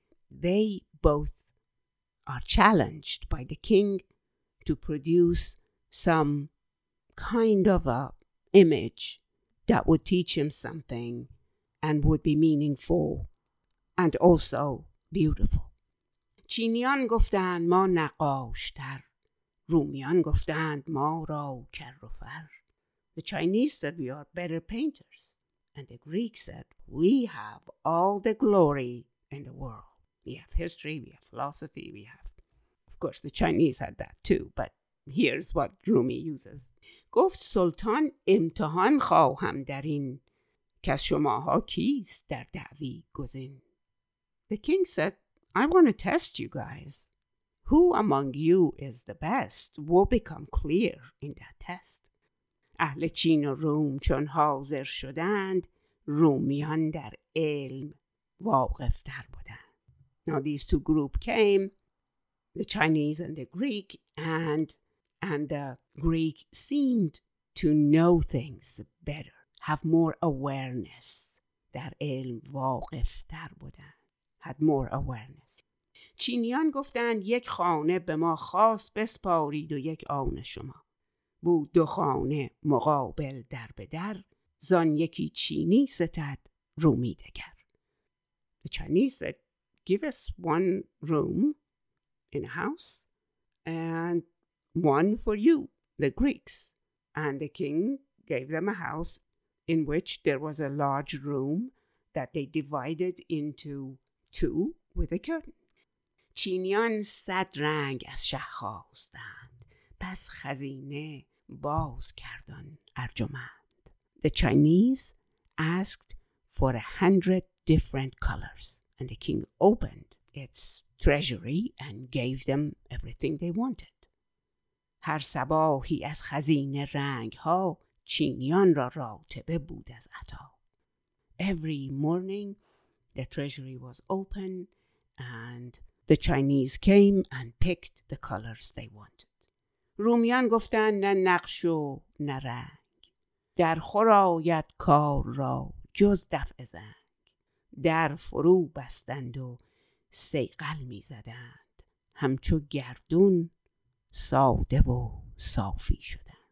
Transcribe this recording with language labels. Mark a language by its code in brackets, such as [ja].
[en] They both are challenged by the king to produce some kind of a image that would teach him something and would be meaningful and also beautiful. [fa] چینیان گفتند ما نقاشتر، رومیان گفتند ما را کرفر. [en] The Chinese said we are better painters. And the Greeks said, we have all the glory in the world. We have history, we have philosophy, we have... Of course, the Chinese had that too, but here's what Rumi uses. [fa] گفت سلطان امتحان خواهم در این که شماها کیست در دعوی گزین. [en] The king said, I want to test you guys. Who among you is the best will become clear in that test. [fa] اهل چین و روم چون حاضر شدند، رومیان در علم واقف‌تر بودند. [en] Now these two group came, the Chinese and the Greek, and the Greek seemed to know things better, have more awareness. [fa] در علم واقف‌تر بودند. [en] Had more awareness. [fa] چینیان گفتند یک خانه به ما خاص بسپارید و یک آن شما. بود دو خانه مقابل در به در، زان یکی چینی ستد رومی دگر. [en] The Chinese said, give us one room in a house and one for you, the Greeks. And the king gave them a house in which there was a large room that they divided into two with a curtain. [fa] چینیان صد رنگ از شه خواستند، پس خزینه باز کردن ارجمند. [en] The Chinese asked for 100 different colors and the king opened its treasury and gave them everything they wanted. [fa] هر سباهی از خزینه رنگ ها چینیان را راتبه بود از عطا. [en] Every morning the treasury was open and the Chinese came and picked the colors they wanted. [fa] رومیان گفتند نه نقش و نه رنگ، در خور آید کار را جز دفع زنگ. در فرو بستند و سیقل می زدند، همچو گردون ساده و صافی شدند.